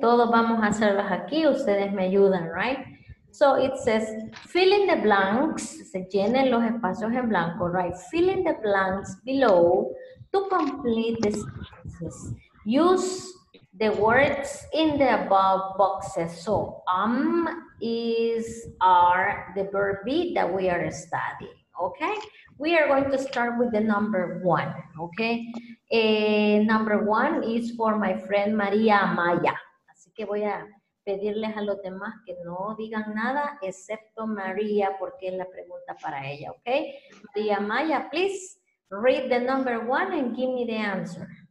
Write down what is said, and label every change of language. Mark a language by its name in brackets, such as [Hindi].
[Spanish] Todos vamos a hacerlas aquí, ustedes me ayudan, right? [English] So it says, fill in the blanks, [Spanish] se llenen los espacios en blanco, [English] right? Fill in the blanks below to complete the sentences. Use the words in the above boxes. So, is, are, the verb be that we are studying, okay? We are going to start with the number one, okay? Number one is for my friend Maria Amaya. [Spanish] Así que voy a pedirles a los demás que no digan nada, excepto María, porque es la pregunta para ella, ¿ok? [English] María Maya, please read the number one and give me the answer.